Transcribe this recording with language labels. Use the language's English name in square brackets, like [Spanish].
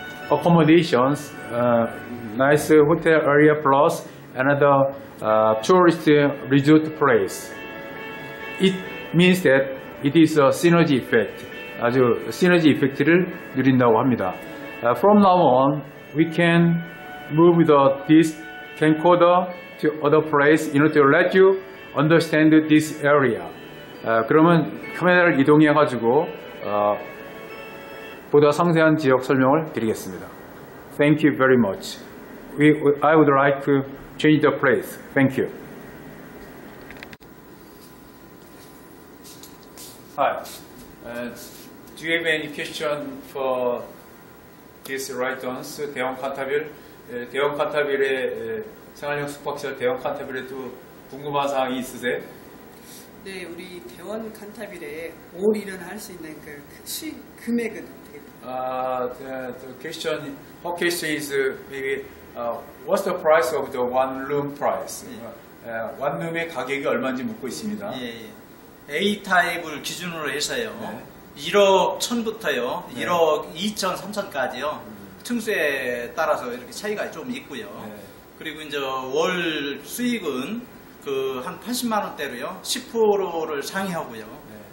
[English] accommodations, nice hotel area plus another tourist resort place. It means that it is a synergy effect. [Korean] 아주 시너지 이펙트를 누린다고 합니다. [English] From now on, we can move this camcorder to other place in order to let you understand this area. [Korean] 그러면 카메라를 이동해 가지고 보다 상세한 지역 설명을 드리겠습니다. [English] Thank you very much. I would like to change the place. Thank you. Hi. Do you have any question for these writers? [Korean] 대형 칸타빌, 대형 칸타빌의 생활형 숙박지역 대형 칸타빌에 또 궁금한 사항이 있으세요? 네, 우리 대원 칸타빌에 올인은 할 수 있는 그 금액은 어떻게 돼요? [English] The question, her question is maybe what's the price of the one room price? [Korean] 네. One room의 가격이 얼마인지 묻고 있습니다. 예, 예. A타입을 기준으로 해서요. 네. 1억 1000부터요, 네. 1억 2000, 3000까지요. 층수에 따라서 이렇게 차이가 좀 있고요. 네. 그리고 이제 월 수익은 그 한 80만원대로요, 10%를 상회하고요. 네.